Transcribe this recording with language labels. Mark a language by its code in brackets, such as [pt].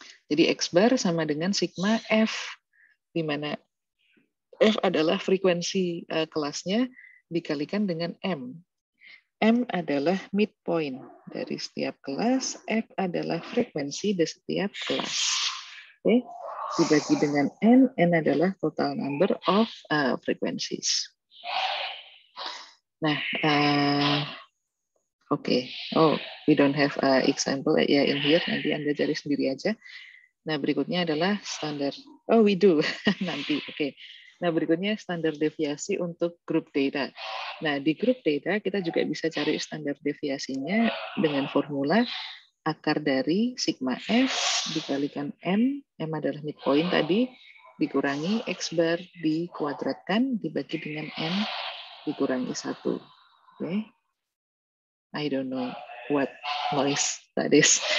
[id] Jadi X bar sama dengan sigma F, di mana F adalah frekuensi kelasnya dikalikan dengan M. M adalah midpoint dari setiap kelas, F adalah frekuensi di setiap kelas. Oke, dibagi dengan N, N adalah [en] total number of frequencies. [id] Nah, oke. [en] Okay. Oh, we don't have a example ya in here. [id] Nanti Anda cari sendiri aja. Nah, berikutnya adalah standar. [en] Oh, we do. [id] Nanti. Oke. Okay. Nah, berikutnya standar deviasi untuk group data. Nah, di group data kita juga bisa cari standar deviasinya dengan formula akar dari sigma F dikalikan M, M adalah midpoint tadi, dikurangi X bar dikuadratkan dibagi dengan N dikurangi 1. Oke. [en] Okay. I don't know what noise that is.